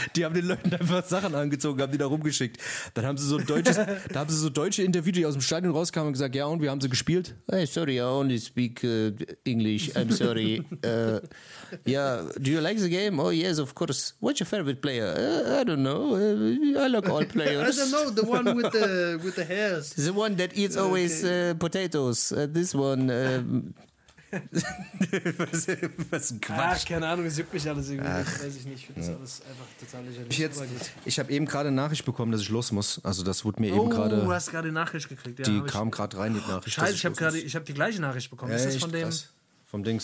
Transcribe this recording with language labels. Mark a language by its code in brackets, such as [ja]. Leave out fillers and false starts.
[de] Die haben den Leuten einfach Sachen angezogen, haben die da rumgeschickt. Dann haben sie so ein deutsches, da haben sie so Deutsche interviewt, die aus dem Stadion rauskamen und gesagt, ja, und wie haben sie gespielt? [en] Hey, sorry, I only speak English. I'm sorry. Yeah, do you like the game? Oh, yes, of course. What's your favorite player? I don't know. I like all players. I don't know, the one with the hairs. The one that eats always potatoes. This one. [de] was ein Quatsch. Ach, keine Ahnung, es juckt mich alles irgendwie. Ach. Weiß ich nicht, ich finde das alles einfach total lächerlich. Ich habe eben gerade eine Nachricht bekommen, dass ich los muss. Also das wurde mir eben gerade... Oh, du hast gerade eine Nachricht gekriegt. Die kam gerade rein, die Nachricht. Scheiße, ich habe die gleiche Nachricht bekommen. Ja, ist das von dem... Krass. Vom Dings,